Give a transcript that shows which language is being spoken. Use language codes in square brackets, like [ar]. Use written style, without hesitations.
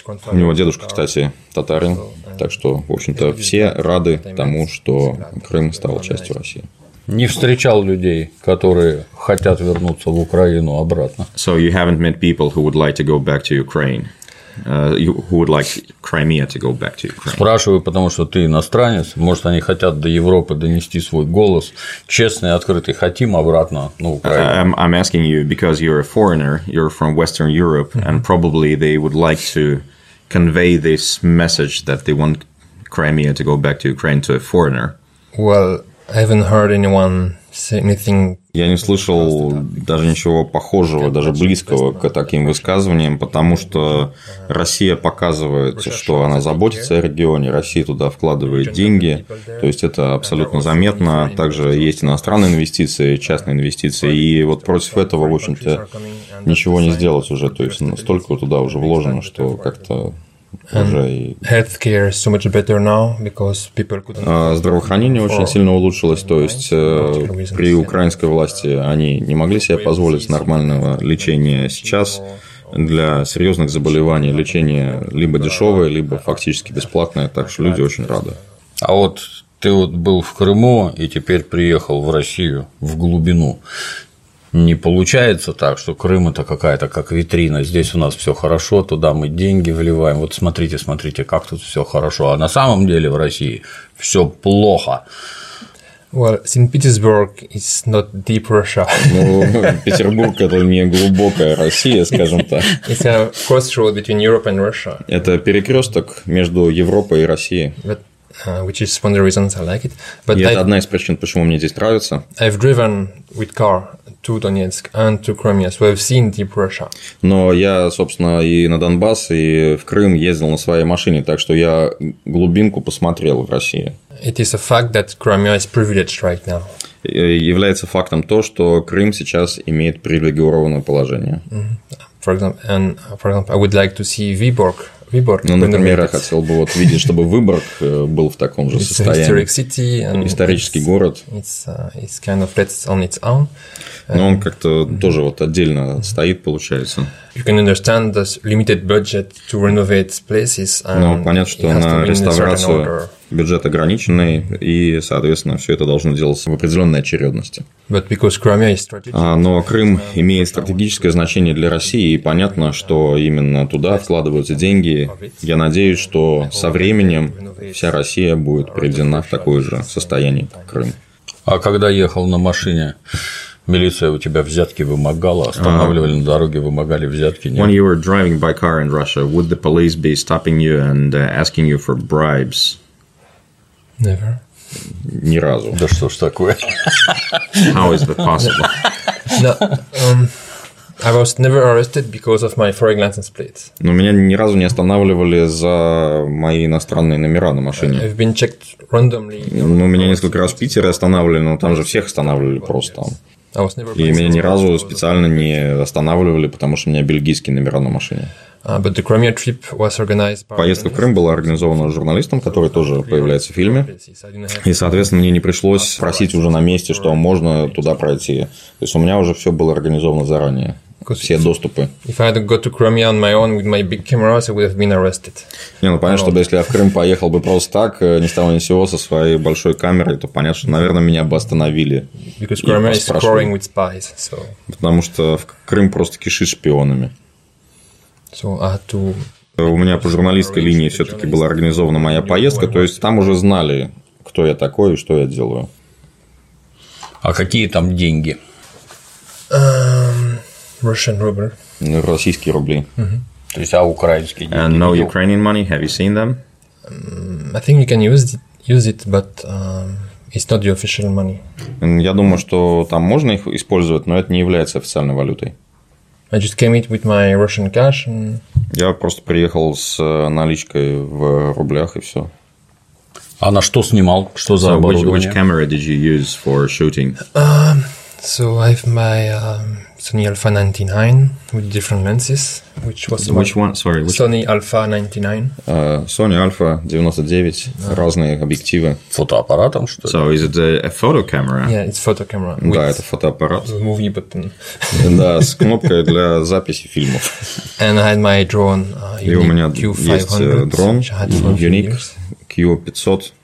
[ru] У него дедушка, кстати, татарин, так что, в общем-то, все рады тому, что Крым стал частью России. Не встречал людей, которые хотят вернуться в Украину обратно. [en] So you haven't met people who would like to go back to Ukraine, who would like Crimea to go back to Ukraine. [ru] Спрашиваю, потому что ты иностранец, может, они хотят до Европы донести свой голос, честный, открытый, хотим обратно на Украину. [en] I'm asking you because you're a foreigner, you're from Western Europe, and probably they would like to convey this message that they want Crimea to go back to Ukraine to a foreigner. Well. I haven't heard anyone say anything. [ru] Я не слышал даже ничего похожего, даже близкого к таким высказываниям, потому что Россия показывает, что она заботится о регионе, Россия туда вкладывает деньги, то есть это абсолютно заметно. Также есть иностранные инвестиции, частные инвестиции, и вот против этого, в общем-то, ничего не сделать уже, то есть столько туда уже вложено, что как-то... [en] Healthcare so much better now because people couldn't. [ru] Здравоохранение очень сильно улучшилось, то есть при украинской власти они не могли себе позволить нормального лечения сейчас. для серьезных заболеваний лечение либо дешевое, либо фактически бесплатное, так что люди очень рады. А вот ты вот был в Крыму и теперь приехал в Россию, в глубину. Не получается так, что Крым – это какая-то как витрина, здесь у нас все хорошо, туда мы деньги вливаем, вот смотрите, смотрите, как тут все хорошо, а на самом деле в России все плохо. [en] Well, St. Petersburg is not deep Russia. [ru] Ну, Петербург – это не глубокая Россия, скажем так. [en] It's a crossroad between Europe and Russia. [ru] Это перекресток между Европой и Россией. [en] But which is one of the reasons I like it. But [ru] и это одна из причин, почему мне здесь нравится. [en] I've driven with car to Donetsk and to Crimea, so I've seen deep Russia. [ru] Но я, собственно, и на Донбасс, и в Крым ездил на своей машине, так что я глубинку посмотрел в России. [en] It is a fact that Crimea is privileged right now. [ru] Является фактом то, что Крым сейчас имеет привилегированное положение. [en] For example, I would like to see Vyborg. Vyborg. [ru] Ну, например, я хотел бы вот видеть, чтобы Выборг был в таком же состоянии. [en] Historic city and [ru] исторический город. [en] It's kind of rests on its own. [ru] Но он как-то тоже вот отдельно стоит, получается. [en] You can understand the limited budget to renovate places. [ru] Ну, понятно, что на реставрацию бюджет ограниченный, и, соответственно, все это должно делаться в определенной очередности. [en] But because Crimea is strategic. [ru] Но Крым имеет стратегическое значение для России, и понятно, что именно туда вкладываются деньги. Я надеюсь, что со временем вся Россия будет приведена в такое же состояние, как Крым. А когда ехал на машине, милиция у тебя взятки вымогала, останавливали на дороге, вымогали взятки? Нет? [en] When you were driving by car in Russia, would the police be stopping you and asking you for bribes? Never. [ru] Ни разу. Да что ж такое? [en] How is that possible? No, I was never arrested because of my foreign license plates. [ru] Но меня ни разу не останавливали за мои иностранные номера на машине. [en] I've been checked randomly. [ru] Ну, меня несколько раз в Питере останавливали, но там же всех останавливали просто. И меня ни разу специально не останавливали, потому что у меня бельгийские номера на машине. [en] But the Crimea trip was organized by... [ru] Поездка в Крым была организована журналистом, который тоже появляется в фильме. И, соответственно, мне не пришлось просить уже на месте, что можно туда пройти. То есть у меня уже все было организовано заранее. Все доступы. [en] If I had got to Crimea on my own with my big cameras, I would have been arrested. [ru] Не, ну понятно, чтобы если я в Крым поехал бы просто так, ни с того ни с сего, со своей большой камерой, то понятно, что, наверное, меня бы остановили. [en] Because Crimea is crawling with spies, so... [ru] Потому что в Крым просто кишит шпионами. [en] So I had to... [ru] У меня по журналистской линии все-таки была организована моя поездка, то есть там уже знали, кто я такой и что я делаю. А какие там деньги? [en] Russian ruble. [ru] Российские рубли. То есть, а украинские деньги? [en] And no Ukrainian money, have you seen them? I think you can use it, but it's not the official money. [ru] Я думаю, что там можно их использовать, но это не является официальной валютой. [en] I just came in with my Russian cash and... [ru] Я просто приехал с наличкой в рублях и все. А на что снимал? Что за оборудование? [en] Which camera did you use for shooting? So I have my Sony Alpha 99 with different lenses, which was which one? Sorry, which... Sony Alpha 99. [ru] Sony Alpha 99, разные объективы. Фотоаппаратом, что ли? [en] So is it a photo camera? Yeah, it's photo camera. [ru] Да, это фотоаппарат. [en] With movie button. [ru] Да, с кнопкой для записи фильмов. [en] And I had my drone. [ru] И у меня есть дрон Unique Q500.